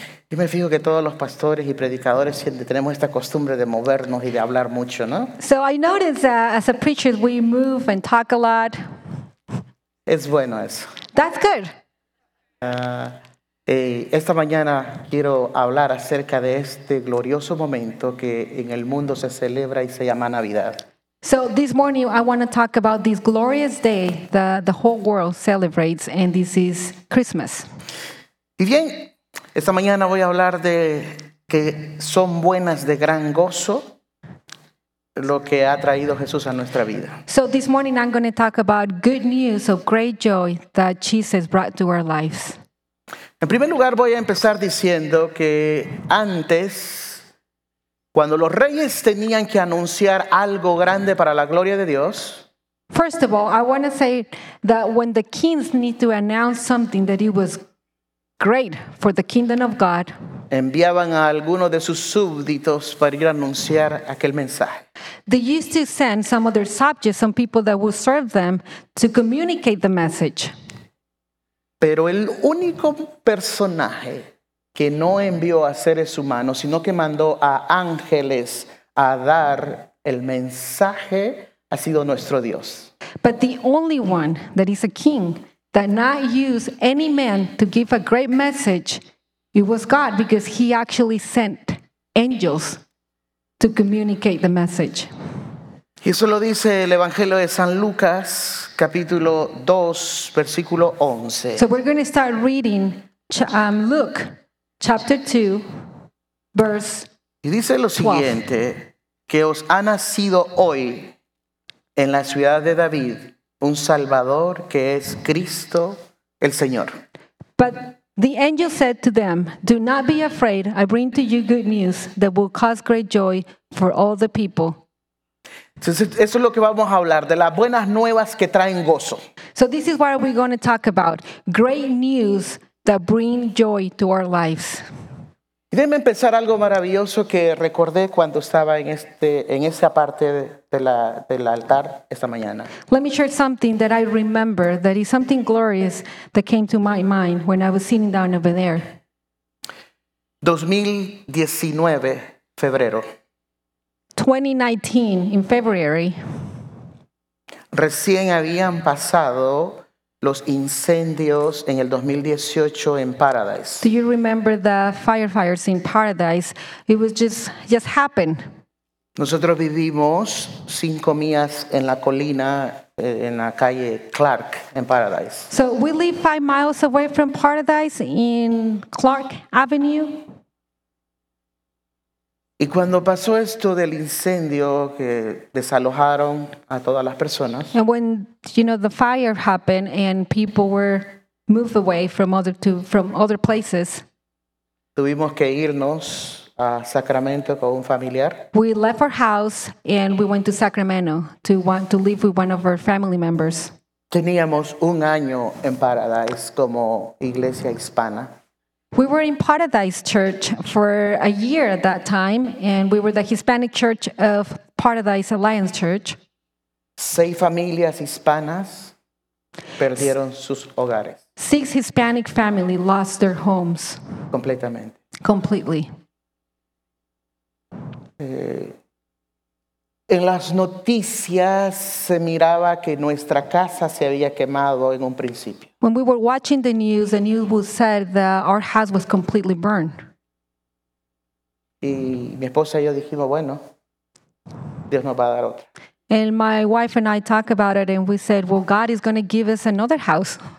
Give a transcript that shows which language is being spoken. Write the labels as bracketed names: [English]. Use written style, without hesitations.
[Spanish] Yo me fijo que todos los pastores y predicadores tenemos esta costumbre de movernos y de hablar mucho, ¿no? [English] So I noticed that as a preacher we move and talk a lot. [Spanish] Es bueno eso. [English] That's good. [Spanish] Esta mañana quiero hablar acerca de este glorioso momento que en el mundo se celebra y se llama Navidad. [English] So this morning I want to talk about this glorious day that the whole world celebrates, and this is Christmas. [Spanish] Y bien, esta mañana voy a hablar de que son buenas de gran gozo lo que ha traído Jesús a nuestra vida. [English] So this morning I'm going to talk about good news of great joy that Jesus brought to our lives. [Spanish] En primer lugar voy a empezar diciendo que antes, cuando los reyes tenían que anunciar algo grande para la gloria de Dios. [English] First of all, I want to say that when the kings need to announce something that it was great for the kingdom of God, [Spanish] enviaban a alguno de sus súbditos para ir a anunciar aquel mensaje. [English] They used to send some of their subjects, some people that would serve them, to communicate the message. [Spanish] Pero el único personaje que no envió a seres humanos, sino que mandó a ángeles a dar el mensaje, ha sido nuestro Dios. [English] But the only one that is a king that not use any man to give a great message, it was God, because he actually sent angels to communicate the message. [Spanish] Y eso lo dice el Evangelio de San Lucas, capítulo 2, versículo 11. [English] So we're going to start reading Luke, chapter 2, verse 12. [Spanish] Y dice lo siguiente, que os ha nacido hoy en la ciudad de David un Salvador que es Cristo el Señor. [English] But the angel said to them, do not be afraid, I bring to you good news that will cause great joy for all the people. [Spanish] Entonces, eso es lo que vamos a hablar, de las buenas nuevas que traen gozo. [English] So this is what we're going to talk about, great news that bring joy to our lives. [Spanish] Déjenme empezar algo maravilloso que recordé cuando estaba en este en esa parte del altar esta mañana. [English] Let me share something that I remember that is something glorious that came to my mind when I was sitting down over there. [Spanish] 2019, febrero. [English] 2019 in February. [Spanish] Recién habían pasado los incendios en el 2018 en Paradise. [English] Do you remember the firefighters in Paradise? It was just happened. [Spanish] Nosotros vivimos 5 millas en la colina, en la calle Clark, en Paradise. [English] So we live 5 miles away from Paradise in Clark Avenue. [Spanish] Y cuando pasó esto del incendio que desalojaron a todas las personas. [English] And when, you know, the fire happened and people were moved away from other places. [Spanish] Tuvimos que irnos a Sacramento con un familiar. [English] We left our house and we went to Sacramento to live with one of our family members. [Spanish] Teníamos un año en Paradise como iglesia hispana. [English] We were in Paradise Church for a year at that time, and we were the Hispanic Church of Paradise Alliance Church. [Spanish] 6 familias hispanas perdieron sus hogares. [English] 6 Hispanic families lost their homes. [Spanish] Completamente. [English] Completely. [Spanish] En las noticias se miraba que nuestra casa se había quemado en un principio. [English] When we were watching the news was said that our house was completely burned. [Spanish] Y mi esposa y yo dijimos, bueno, Dios nos va a dar otra. [English] And my wife and I talked about it and we said, well, God is going to give us another house.